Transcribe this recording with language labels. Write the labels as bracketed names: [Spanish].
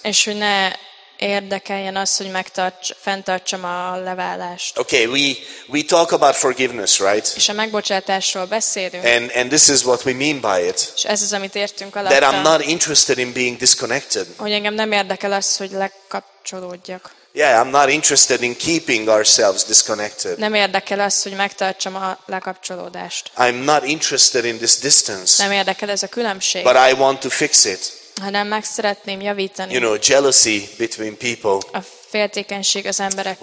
[Hungarian] És hogy ne érdekeljen az, hogy fenntartsam a leválást. [English] Okay, we talk about forgiveness, right? [Hungarian] És a megbocsátásról beszélünk. [English] And this is what we mean by it. [Hungarian] És ez az, amit értünk alatta. [English] That I'm not interested in being disconnected. [Hungarian] Hogy engem nem érdekel az, hogy lekapcsolódjak. [English] Yeah, I'm not interested in keeping ourselves disconnected. [Hungarian] Nem érdekel az, hogy megtartsam a lekapcsolódást. [English] I'm not interested in this distance. [Hungarian] Nem érdekel ez a különbség. [English] But I want to fix it. [Hungarian] Hanem meg szeretném javítani. [English] You know, jealousy between people. [Hungarian] A féltékenység az emberek